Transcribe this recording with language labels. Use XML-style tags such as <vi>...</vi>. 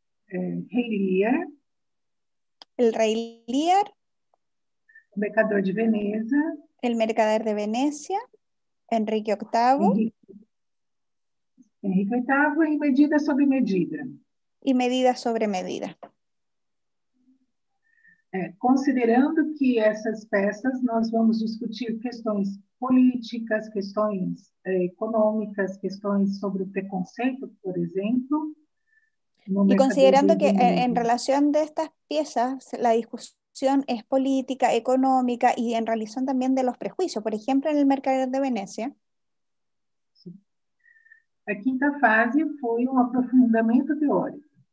<es>Lear. El rey Lear.</es> <pt>Mercador de Venecia.</pt> <es>El mercader de Venecia. Enrique VIII. Enrique VIII y medida sobre medida. Y medida sobre medida.</es> <pt>Considerando que esas peças nós vamos discutir questões políticas, questões econômicas, questões sobre o preconceito, por exemplo.</pt> <es>Y considerando que en relación de estas piezas la discusión es política, económica y en relación también de los prejuicios, por ejemplo, en el mercader de Venecia. La quinta fase fue un aprofundamiento teórico.</es>